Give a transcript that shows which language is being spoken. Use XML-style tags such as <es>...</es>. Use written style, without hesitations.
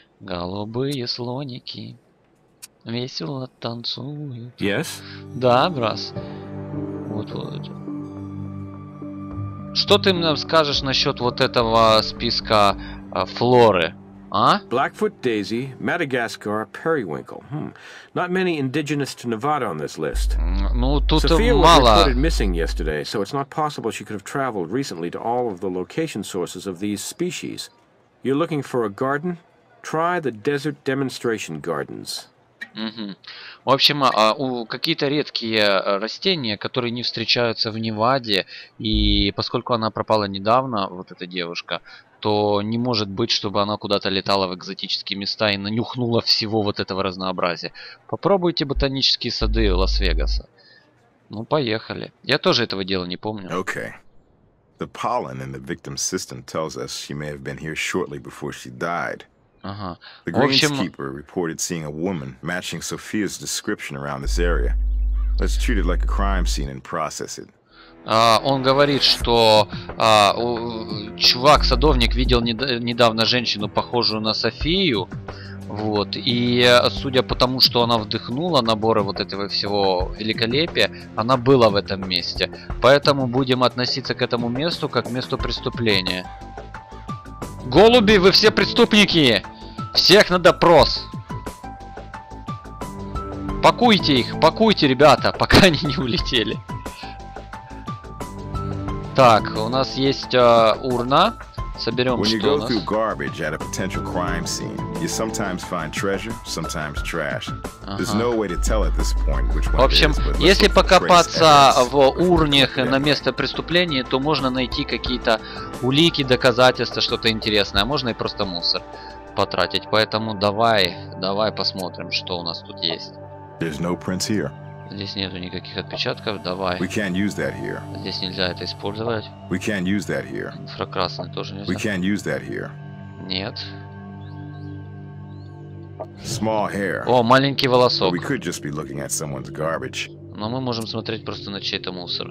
<ru>Голубые слоники. Весело танцуют.</ru> <en>Yes?</en> <ru>Да, Брас. Вот. Что ты нам скажешь насчет вот этого списка флоры? А?</ru> <en>Blackfoot Daisy, Madagascar, Periwinkle. Hmm. Not many indigenous to Nevada on this list.</en> <ru>Ну, тут</ru> <en>Sophia</en> <ru>мало.</ru> <en>Sophia was reported missing yesterday, so it's not possible she could have traveled recently to all of the location sources of these species. You're looking for a garden? Try the desert demonstration gardens.</en> <ru>Угу. В общем, какие-то редкие растения, которые не встречаются в Неваде, и поскольку она пропала недавно, вот эта девушка, то не может быть, чтобы она куда-то летала в экзотические места и нанюхнула всего вот этого разнообразия. Попробуйте ботанические сады Лас-Вегаса. Ну, поехали. Я тоже этого дела не помню.</ru> <en>Okay. The pollen in the victim's system tells us she may have been here shortly before she died.</en> <ru>Ага.</ru> <en>The greenskeeper reported seeing a woman matching Sophia's description around this area. Let's treat it like a crime scene and process it.</en> <ru>Он говорит, что чувак-садовник видел недавно женщину, похожую на Софию. Вот. И судя по тому, что она вдохнула наборы вот этого всего великолепия, она была в этом месте. Поэтому будем относиться к этому месту как к месту преступления. Голуби, вы все преступники! Всех на допрос! Пакуйте их, пакуйте, ребята, пока они не улетели. Так, у нас есть урна. Соберем</ru> <en>When</en> <ru>что</ru> <en>you go</en> <ru>у нас.</ru> <en>Through garbage at a potential crime scene, you sometimes find treasure, sometimes trash. There's no way to tell at this point which one.</en> <ru>В общем,</ru> <en>it is,</en> <ru>если покопаться в урнях на место преступления, то можно найти какие-то улики, доказательства, что-то интересное, а можно и просто мусор потратить. Поэтому давай посмотрим, что у нас тут есть.</ru> <en>There's no prints here.</en> <ru>Здесь нету никаких отпечатков, давай.</ru> <en>We can't use that here.</en> <ru>Здесь нельзя это использовать.</ru> <en>We can't use that here.</en> <ru>Инфракрасный тоже нельзя.</ru> <en>We can't use that here.</en> <ru>Нет.</ru> <en>Small hair.</en> <ru>О, маленький волосок.</ru> <en>We could just be looking at someone's garbage.</en> <ru>Но мы можем смотреть просто на чей-то мусор.</ru>